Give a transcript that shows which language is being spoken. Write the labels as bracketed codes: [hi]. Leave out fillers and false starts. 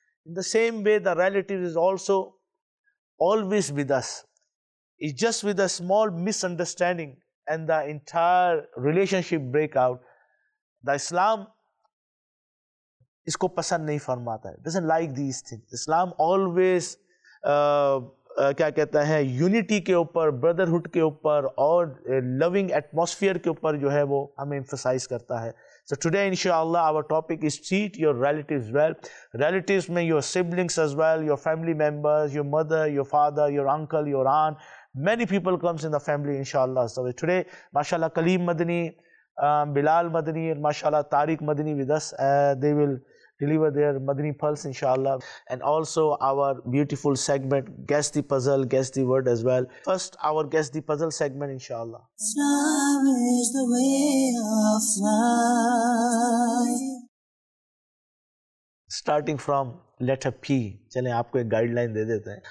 [en] In the same way, the relative is also always with us. It's just with a small misunderstanding and the entire relationship break out. [hi] The Islam isko pasand nahi farmata hai. [en] Doesn't like these things. [hi] Islam always क्या कहते हैं unity के ऊपर brotherhood के ऊपर और loving atmosphere के ऊपर जो है वो हमें एम्फसाइज करता है. [en] So today इंशाल्लाह our topic is treat your relatives well. Relatives में your siblings as well, your family members, your mother, your father, your uncle, your aunt, many people comes in the family इंशाल्लाह. So today माशाल्लाह कलीम मदनी, बिलाल मदनी, माशाल्लाह Tariq Madani with us, they will deliver their Madani Pulse inshallah. And also our beautiful segment, Guess the Puzzle, Guess the Word as well. First, our Guess the Puzzle segment inshallah. Islam is the way of life. Starting from letter P, [hi] chale aapko ek guideline de dete hain.